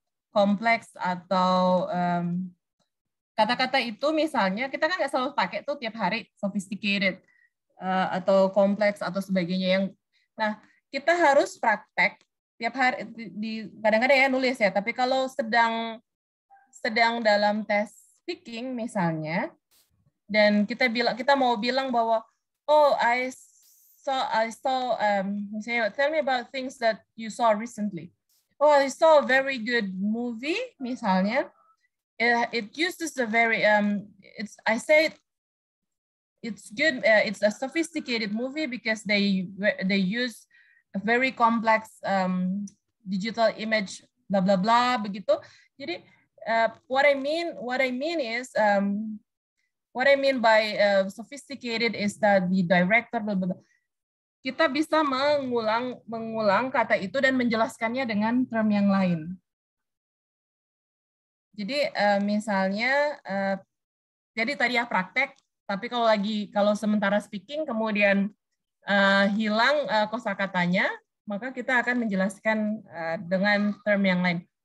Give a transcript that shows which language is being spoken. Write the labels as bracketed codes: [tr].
[id] kompleks atau kata-kata itu misalnya kita kan nggak selalu pakai tuh tiap hari sophisticated atau kompleks atau sebagainya yang, nah kita harus praktek tiap hari di kadang-kadang ya nulis ya, tapi kalau sedang dalam tes speaking misalnya dan kita mau bilang bahwa [en] I saw tell me about things that you saw recently. I saw a very good movie [id] misalnya, [en] it's a sophisticated movie because they use a very complex digital image blah blah blah begitu. [id] Jadi [en] what I mean by sophisticated is that the director blah, blah, blah. [id] Kita bisa mengulang kata itu dan menjelaskannya dengan term yang lain. Jadi jadi tadi ya praktek, tapi kalau sementara speaking kemudian hilang kosakatanya, maka kita akan menjelaskan dengan term yang lain.